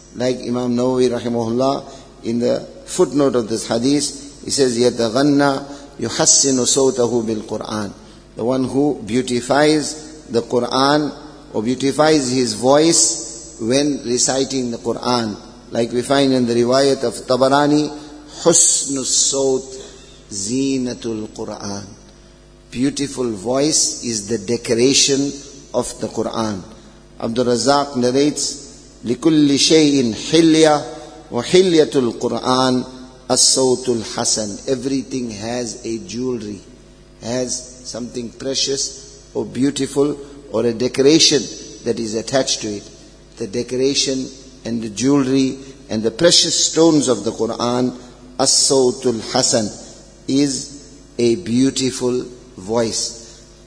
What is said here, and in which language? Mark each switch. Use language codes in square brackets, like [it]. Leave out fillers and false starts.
[en] Like Imam Nawawi rahimahullah, in the footnote of this hadith, he says, [ar] يَتَغَنَّ يُحَسِّنُ صَوْتَهُ بِالْقُرْآنِ, [en] the one who beautifies the Quran or beautifies his voice when reciting the Quran. Like we find in the riwayat of Tabarani, [ar] حُسْنُ الصَّوْتِ زِينَةُ الْقُرْآنِ, [en] beautiful voice is the decoration of the Quran. Abdul Razak narrates, [ar] لِكُلِّ شَيْءٍ حِلْيَةٌ وَحِلْيَةُ الْقُرْآنِ الصوت الحسن. [en] Everything has a jewelry, has something precious or beautiful or a decoration that is attached to it. The decoration and the jewelry and the precious stones of the Quran, [ar] الصوت الحسن, [en] is a beautiful voice.